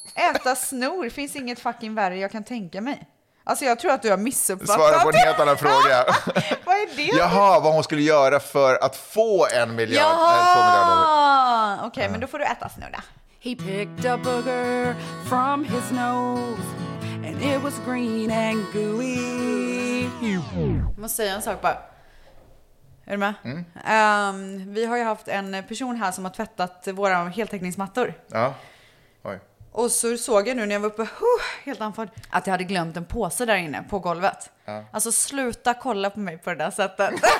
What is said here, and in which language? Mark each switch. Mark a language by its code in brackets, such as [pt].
[sv] Äta snor, finns inget fucking värre jag kan tänka mig. Alltså jag tror att du har missuppfattat. Svara på en helt annan fråga. Vad är det? Jaha, vad hon skulle göra för att få 1 miljard. Jaha, okej, men då får du äta snor då. [en] He picked a booger from his nose. And it was green and gooey. [sv] Jag måste säga en sak bara. Är du med? Mm. Vi har ju haft en person här som har tvättat våra heltäckningsmattor. Ja. Oj. Och så såg jag nu när jag var uppe, helt anförd, att jag hade glömt en påse där inne på golvet. Ja. Alltså sluta kolla på mig på det där sättet.